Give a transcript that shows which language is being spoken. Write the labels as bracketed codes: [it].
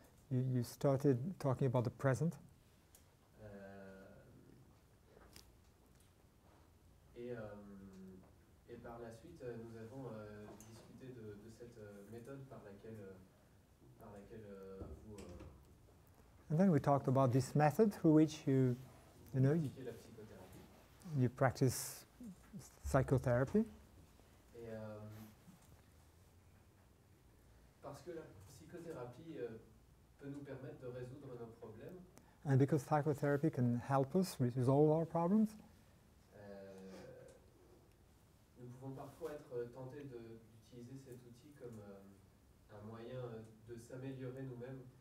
[en] You started talking about the present. [fr] Et par la suite, nous avons discuté de cette méthode par laquelle vous. [en] And then we talked about this method through which you practice psychotherapy. [fr] Parce que la psychothérapie peut nous permettre de résoudre nos problèmes. [en] And because psychotherapy can help us resolve our problems. [fr] Nous pouvons parfois être tentés d'utiliser cet outil comme un moyen de s'améliorer nous-mêmes.